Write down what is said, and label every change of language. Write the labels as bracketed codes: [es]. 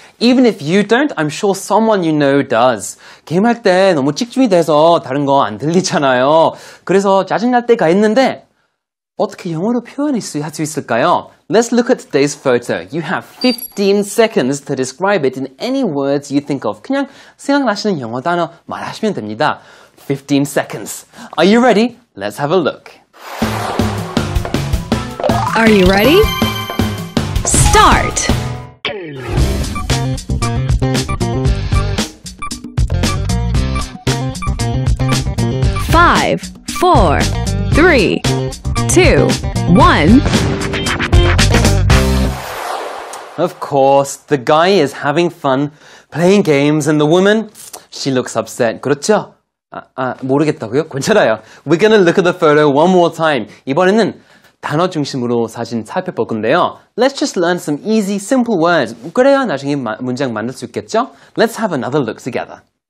[en] Even if you don't, I'm sure someone you know does. [ko] 게임할 때 너무 집중이 돼서 다른 거 안 들리잖아요. 그래서 짜증날 때가 있는데 어떻게 영어로 표현할 수 있을까요? [en] Let's look at today's photo. You have 15 seconds to describe it in any words you think of. [ko] 그냥 생각나시는 영어 단어 말하시면 됩니다. [en] 15 seconds. Are you ready? Let's have a look. Are you ready? Start! Five, four, three, two, one. Of course, the guy is having fun playing games and the woman, she looks upset. [ko] 그렇죠? 모르겠다고요? 괜찮아요. [en] We're gonna look at the photo one more time. [ko] 이번에는 단어 중심으로 사진 살펴볼 건데요. [en] Let's just learn some easy, simple words. [ko] 그래야 나중에 문장 만들 수 있겠죠? [en] Let's have another look together.